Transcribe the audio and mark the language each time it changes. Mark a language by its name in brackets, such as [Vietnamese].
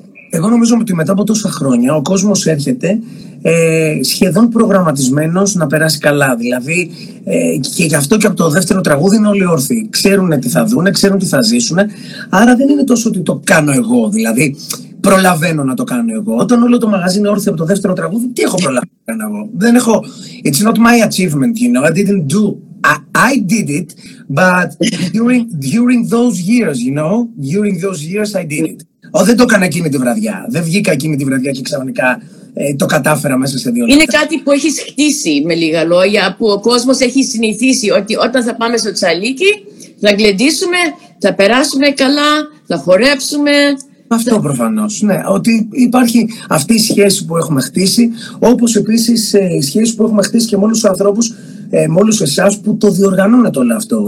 [Greek] Εγώ νομίζω ότι μετά από τόσα χρόνια ο κόσμος έρχεται σχεδόν προγραμματισμένος να περάσει καλά. Δηλαδή, και γι' αυτό και από το δεύτερο τραγούδι είναι όλοι όρθιοι. Ξέρουν τι θα δουν, ξέρουν τι θα ζήσουν. Άρα δεν είναι τόσο ότι το κάνω εγώ, δηλαδή προλαβαίνω να το κάνω εγώ. Όταν όλο το μαγαζί είναι όρθιο από το δεύτερο τραγούδι, τι έχω προλάβει να κάνω εγώ. Δεν έχω. [English] It's not my achievement, you know. I didn't do. I did it, but during those years, you know, during those years I did it. [Greek] Oh, δεν το έκανα εκείνη τη βραδιά. Δεν βγήκα εκείνη τη βραδιά και ξαφνικά το κατάφερα μέσα σε δύο λεπτά. Είναι κάτι που έχεις χτίσει, με λίγα λόγια, που ο κόσμος έχει συνηθίσει ότι όταν θα πάμε στο Τσαλίκι, θα γλεντήσουμε, θα περάσουμε καλά, θα χορέψουμε. Αυτό προφανώς, ναι, ότι υπάρχει αυτή η σχέση που έχουμε χτίσει, όπως επίσης η σχέση που έχουμε χτίσει και με όλους τους ανθρώπους, με όλους εσάς που το διοργανώνετε όλο αυτό.